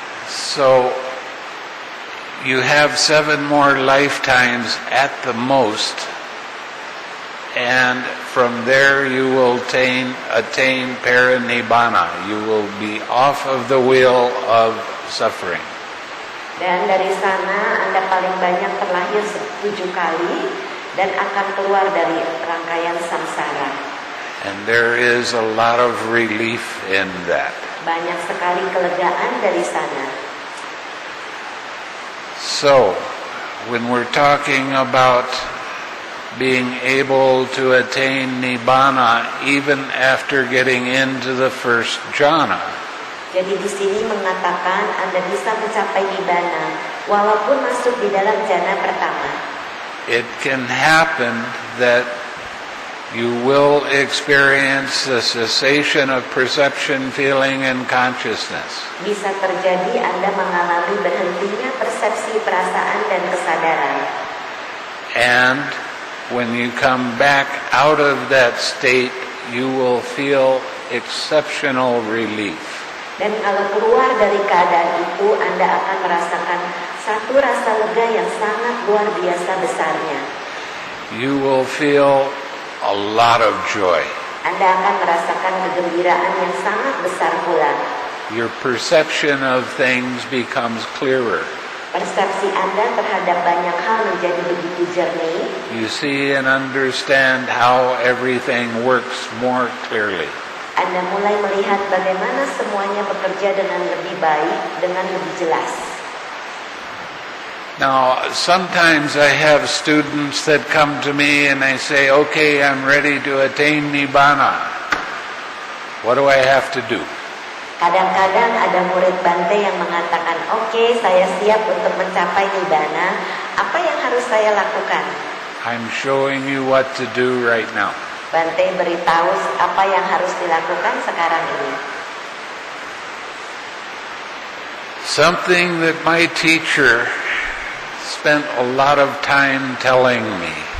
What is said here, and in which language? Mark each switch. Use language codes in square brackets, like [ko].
[en] So you have 7 more lifetimes at the most, and from there you will attain parinibbana. You will be off of the wheel of suffering. [id] Dan dari sana Anda paling banyak terlahir 7 kali dan akan keluar dari rangkaian samsara. [en] And there is a lot of relief in that. [id] Banyak sekali kelegaan dari sana. [en] So, when we're talking about being able to attain Nibbana even after getting into the first jhana, [id] jadi di sini mengatakan Anda bisa mencapai Nibbana walaupun masuk di dalam jhana pertama. [en] It can happen that you will experience the cessation of perception, feeling, and consciousness. [id] Bisa terjadi Anda mengalami berhentinya persepsi, perasaan, dan kesadaran. [en] And when you come back out of that state, you will feel exceptional relief. [id] Dan kalau keluar dari keadaan itu, Anda akan merasakan satu rasa lega yang sangat luar biasa besarnya. [en] You will feel a lot of joy. [id] Anda akan merasakan kegembiraan yang sangat besar pula. [en] Your perception of things becomes clearer. [id] Persepsi Anda terhadap banyak hal menjadi begitu jernih. [en] You see and understand how everything works more clearly. [id] Anda mulai melihat bagaimana semuanya bekerja dengan lebih baik, dengan lebih jelas. [en] Now, sometimes I have students that come to me and they say, okay, I'm ready to attain Nibbana. What do I have to do? [id] Kadang-kadang ada murid Bante yang mengatakan, okay, saya siap untuk mencapai Nibbana. Apa yang harus saya lakukan? [en] I'm showing you what to do right now. [id] Bante beritahu apa yang harus dilakukan sekarang ini. [en] Something that my teacher spent a lot of time telling me.